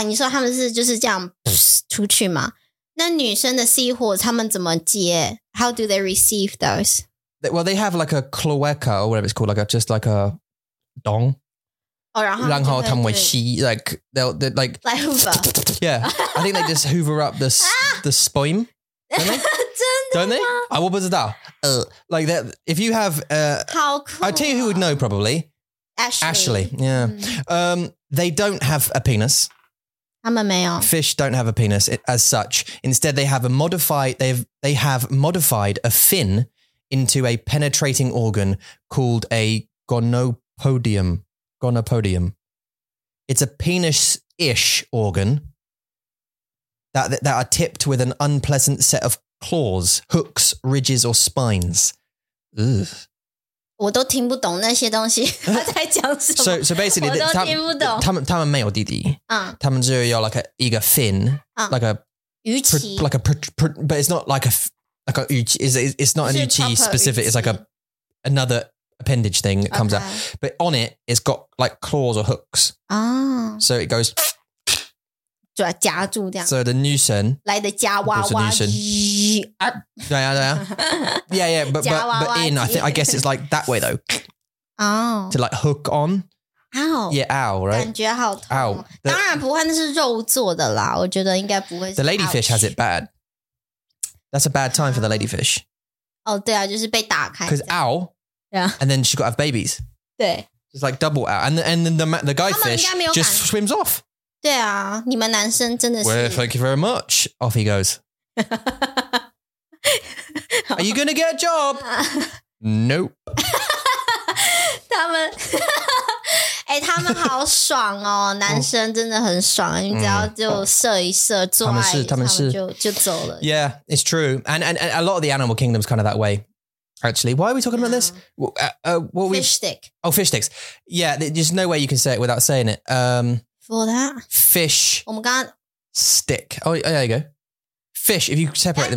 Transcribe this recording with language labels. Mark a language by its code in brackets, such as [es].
[zh] 你说他们是就是这样出去嘛？那女生的 seahorse 他们怎么接 ？ [en] How do they receive those? Well, they have like a cloaca or whatever it's called, like just like a dong. [zh] Oh, 然后他们会吸 ， [en] like they'll like hoover. Yeah, I think they just hoover up the the spoim. Don't they? I will put it down. Like that. If you have, how cool. I'll tell you who would know probably. Ashley. Yeah. They don't have a penis. I'm a male. Fish don't have a penis as such. Instead, they have modified a fin into a penetrating organ called a gonopodium. Gonopodium. It's a penis-ish organ that are tipped with an unpleasant set of. Claws, hooks, ridges, or spines. [zh] Ugh. 我都听不懂那些东西他在讲什么。 [en] So basically, [zh] 我都听不懂。他们没有弟弟。他们只有 [en] like a fin, like a [zh] 鱼鳍 [en] like a but it's not like a 鱼鳍 it's not an 鱼鳍 specific. It's like another appendage thing that comes out. But on it, it's got like claws or hooks. So it goes. [zh] 就要夹住这样。 [en] So the 女神 [zh] 来的夹娃娃机。 [en] Yeah. But in, I guess it's like that way though. Oh. To like hook on. Ow. Yeah, ow, right? [zh] 感觉好痛。 [en] Ow. [zh] 当然不会，那是肉做的啦。我觉得应该不会是。 [en] The ladyfish has it bad. That's a bad time for the ladyfish. [zh] Oh, 对啊，就是被打开。 [en] Because ow. Yeah. And then she's got to have babies. [zh] 对。 [en] It's like double ow. And then the guy fish just swims off. [zh] 对啊，你们男生真的是。 [en] Well, thank you very much. Off he goes. Are you going to get a job? Nope. [zh] 他们欸，他们好爽哦，男生真的很爽，你只要就射一射，做爱，他们就走了。 [en] Yeah, it's true. And a lot of the animal kingdom's kind of that way. Actually, why are we talking about this? Fish stick. Oh, fish sticks. Yeah, there's no way you can say it without saying it. For that? Fish. [zh] 我们刚刚 [en] stick. Oh, there you go. Fish, if you separate them.